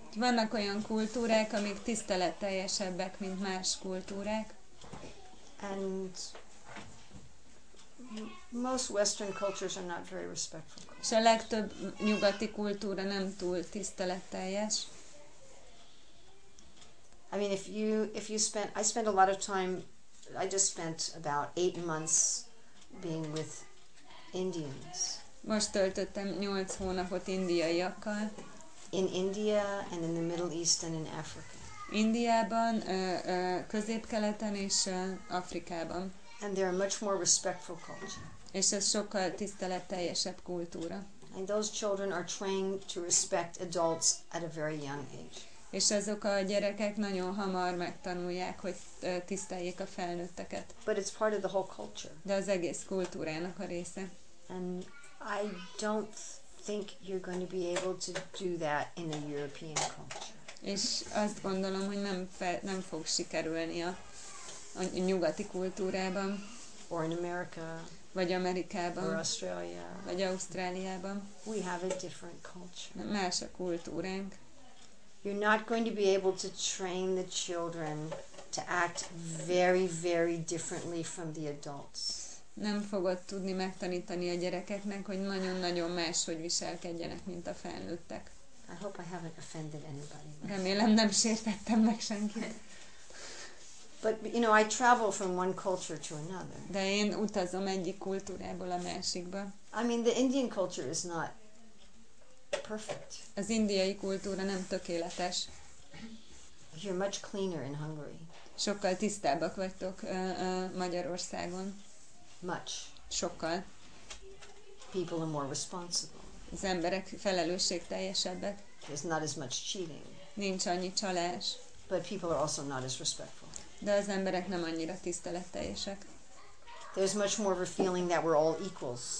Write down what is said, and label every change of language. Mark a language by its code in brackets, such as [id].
[hu] Vannak olyan kultúrák, amik tiszteletteljesebbek, mint más kultúrák. [en] And Most Western cultures are not very respectful. [hu] És a legtöbb nyugati kultúra nem túl tiszteletteljes. [en] I mean, if you spent, I spent a lot of time, I just spent about 8 months being with Indians. [hu] Most töltöttem 8 hónapot indiaiakkal. [en] In India and in the Middle East and in Africa. [hu] Indiában, Közép-Keleten és Afrikában. [en] And they're a much more respectful culture. [hu] És ez sokkal tiszteletteljesebb kultúra. [en] And those children are trained to respect adults at a very young age. [hu] És azok a gyerekek nagyon hamar megtanulják, hogy tiszteljék a felnőtteket. [en] But it's part of the whole culture. [hu] De az egész kultúrának a része. [en] And I don't think you're going to be able to do that in a European culture. [hu] És azt gondolom, hogy nem fog sikerülni a nyugati kultúrában. [en] Or in America. [hu] Vagy Amerikában. [en] Or Australia. [hu] Vagy Ausztráliában. [en] We have a different culture. [hu] Más a kultúránk. [en] You're not going to be able to train the children to act very, very differently from the adults. [hu] Nem fogod tudni megtanítani a gyerekeknek, hogy nagyon-nagyon máshogy viselkedjenek, mint a felnőttek. [en] I hope I haven't offended anybody. [hu] Remélem, nem sértettem meg senkit. [en] But you know, I travel from one culture to another. [hu] De én utazom egyik kultúrából a másikba. [en] I mean, the Indian culture is not perfect. [hu] Az indiai kultúra nem tökéletes. [en] You're much cleaner in Hungary. [hu] Sokkal tisztábbak vagytok Magyarországon. [en] Much. [hu] Sokkal. [en] People are more responsible. [hu] Az emberek felelősségteljesebbek. [en] There's not as much cheating. [hu] Nincs annyi csalás. [en] But people are also not as respectful. [hu] De az emberek nem annyira tiszteletteljesek. [en] There's much more of a feeling that we're all equals.